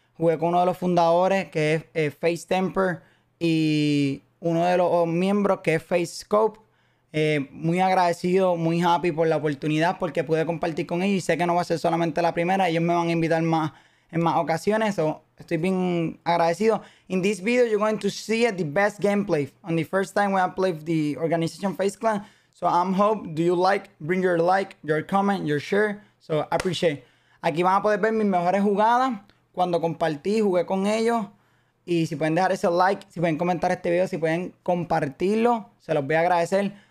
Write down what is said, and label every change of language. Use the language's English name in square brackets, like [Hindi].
[Spanish] Jugué con uno de los fundadores, que es FaZe Temper, y uno de los miembros, que es FaZe Scope. Muy agradecido, muy happy por la oportunidad, porque pude compartir con ellos. Y sé que no va a ser solamente la primera. Ellos me van a invitar más en más ocasiones. So, estoy bien agradecido. [English] In this video, you're going to see the best gameplay. On the first time when I played the organization FaZe Clan. So, I'm hope, do you like? Bring your like, your comment, your share. So, I appreciate. [Spanish] Aquí van a poder ver mis mejores jugadas. Cuando compartí, jugué con ellos. Y si pueden dejar ese like, si pueden comentar este video, si pueden compartirlo, se los voy a agradecer.